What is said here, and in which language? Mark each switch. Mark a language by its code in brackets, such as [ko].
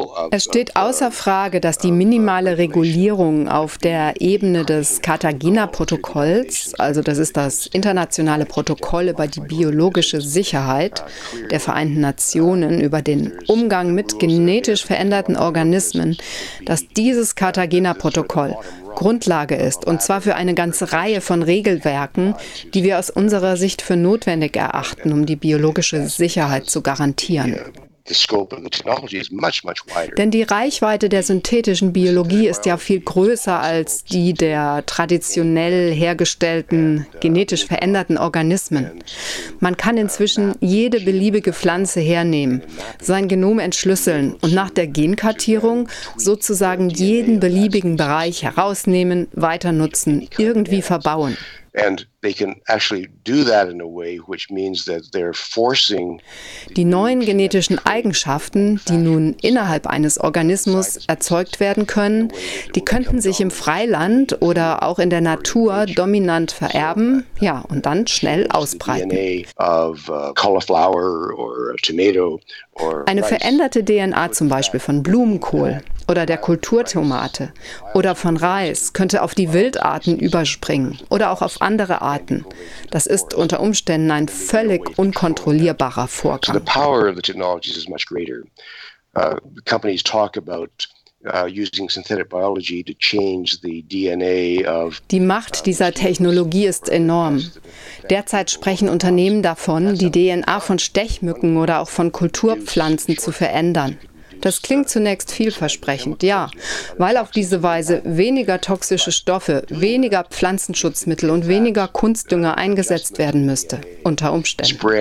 [de] Es steht außer Frage, dass die minimale Regulierung auf der Ebene des Cartagena-Protokolls, also das ist das internationale Protokoll über die biologische Sicherheit der Vereinten Nationen, über den Umgang mit genetisch veränderten Organismen, dass dieses Cartagena-Protokoll Grundlage ist, und zwar für eine ganze Reihe von Regelwerken, die wir aus unserer Sicht für notwendig erachten, um die biologische Sicherheit zu garantieren. [en] The scope of the technology is much, much wider. [de] Denn die Reichweite der synthetischen Biologie ist ja viel größer als die der traditionell hergestellten, genetisch veränderten Organismen. Man kann inzwischen jede beliebige Pflanze hernehmen, sein Genom entschlüsseln und nach der Genkartierung sozusagen jeden beliebigen Bereich herausnehmen, weiter nutzen, irgendwie verbauen. [en] And they can actually do that in a way which means that they're forcing [de] die neuen genetischen Eigenschaften, die nun innerhalb eines Organismus erzeugt werden können, die könnten sich im Freiland oder auch in der Natur dominant vererben, ja, und dann schnell ausbreiten. [en] DNA of cauliflower or a tomato or [de] eine veränderte DNA zum Beispiel von Blumenkohl oder der Kulturtomate oder von Reis könnte auf die Wildarten überspringen oder auch auf andere Arten. Das ist unter Umständen ein völlig unkontrollierbarer Vorgang. [en] The power of the technologies is much greater. Companies talk about using synthetic biology to change the DNA of [de] die Macht dieser Technologie ist enorm. Derzeit sprechen Unternehmen davon, die DNA von Stechmücken oder auch von Kulturpflanzen zu verändern. Das klingt zunächst vielversprechend, ja, weil auf diese Weise weniger toxische Stoffe, weniger Pflanzenschutzmittel und weniger Kunstdünger eingesetzt werden müsste, unter Umständen.